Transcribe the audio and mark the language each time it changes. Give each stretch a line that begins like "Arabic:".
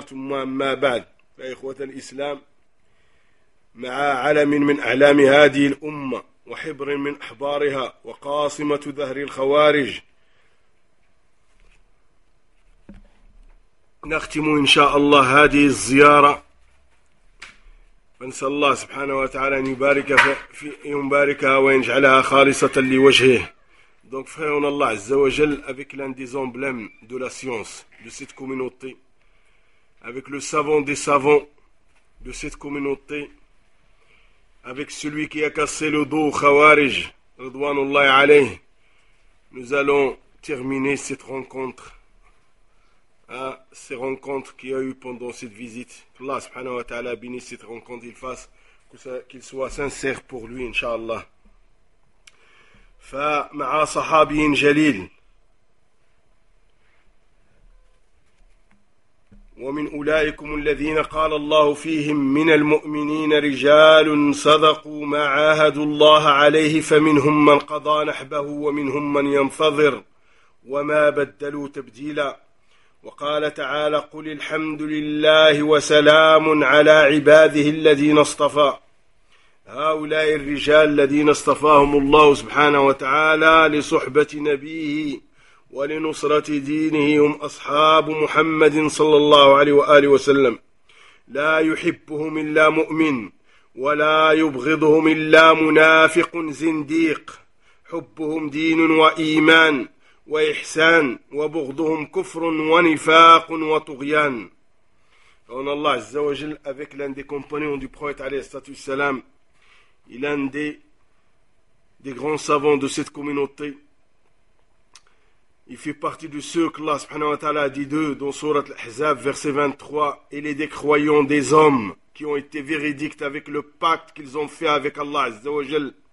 Arabic: ثم ما بعد، فإخوة الإسلام، مع علم من أعلام هذه الأمة وحبر من أحبارها وقاصمة ظهر الخوارج، نختم إن شاء الله هذه الزيارة، فنسأل الله سبحانه وتعالى أن يبارك في يباركها ويجعلها خالصة لوجهه.
French: Donc, frère en Allah, Azzawajal, avec l'un des emblèmes de la science de cette communauté, avec le savant des savants de cette communauté, avec celui qui a cassé le dos au Khawarij, Radwanullahi alayh, nous allons terminer cette rencontre, ces rencontres qu'il y a eu pendant cette visite. Que Allah subhanahu wa ta'ala bénisse cette rencontre, il fasse qu'il soit sincère pour lui, Inch'Allah.
Arabic: فمع صحابي جليل ومن أولئكم الذين قال الله فيهم من المؤمنين رجال صدقوا ما عاهدوا الله عليه فمنهم من قضى نحبه ومنهم من ينتظر وما بدلوا تبديلا. وقال تعالى قل الحمد لله وسلام على عباده الذين اصطفى. هؤلاء الرجال الذين اصطفاهم الله سبحانه وتعالى لصحبة نبيه ولنصرة دينه هم أصحاب محمد صلى الله عليه وآله وسلم، لا يحبهم إلا مؤمن ولا يبغضهم إلا منافق زنديق، حبهم دين وإيمان وإحسان، وبغضهم كفر ونفاق وطغيان. فإن الله عز وجل
French: avec l'un des compagnons du prophète
Arabic: عليه الصلاة والسلام
French: et l'un des grands savants de cette communauté. Il fait partie de ceux que Allah subhanahu wa ta'ala a dit d'eux dans Sourate Al-Ahzab, verset 23, et les décroyants des hommes qui ont été véridictes avec le pacte qu'ils ont fait avec Allah Azza wa Jal.